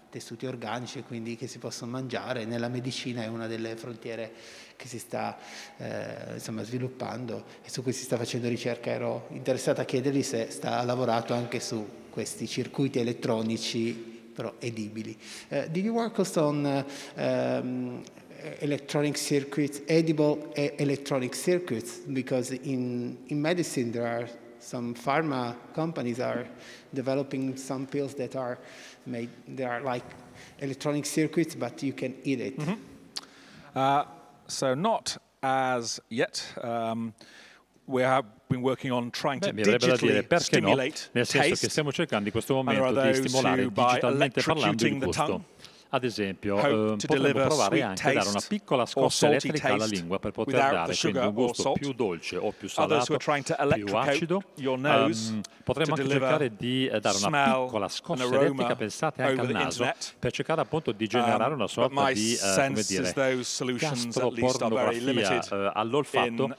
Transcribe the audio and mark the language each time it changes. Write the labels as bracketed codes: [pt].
[it] tessuti organici, quindi che si possono mangiare. Nella medicina è una delle frontiere che si sta insomma, sviluppando e su cui si sta facendo ricerca. Ero interessata a chiedergli se sta lavorando anche su questi circuiti elettronici, però edibili. [en] Did you work also on electronic circuits, edible electronic circuits? Because in medicine there are some pharma companies are developing some pills that are made, they are like electronic circuits, but you can eat it. Mm-hmm. So not as yet. We have been working on trying to digitally stimulate taste. [it] Che stiamo cercando in questo momento di stimolare digitalmente parlando il gusto. Ad esempio, potremmo provare anche a dare una piccola scossa elettrica alla lingua per poter dare quindi un gusto più dolce o più salato, più acido. Potremmo anche cercare di dare una piccola scossa elettrica, pensate anche al naso, per cercare appunto di generare una sorta di, come dire, gastropornografia all'olfatto.